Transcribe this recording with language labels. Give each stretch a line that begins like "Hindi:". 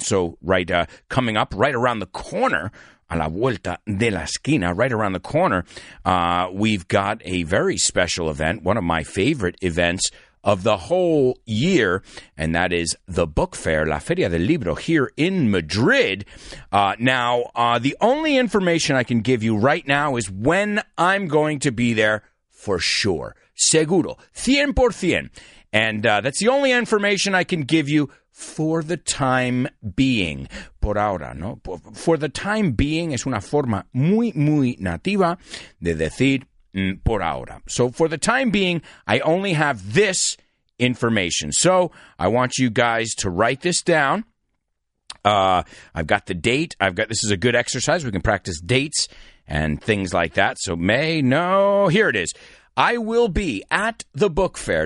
English: So right coming up right around the corner, a la vuelta de la esquina, right around the corner, we've got a very special event, one of my favorite events of the whole year, and that is the book fair, La Feria del Libro, here in Madrid. Now, the only information I can give you right now is when I'm going to be there. For sure. Seguro. 100%. And that's the only information I can give you for the time being.
Spanish: Por ahora, ¿no?
English: For the time being
Spanish: es una forma muy, muy nativa de decir por ahora.
English: So for the time being, I only have this information. So I want you guys to write this down. I've got the date. This is a good exercise. We can practice dates and things like that. So May, no, here it is. I will be at the book fair.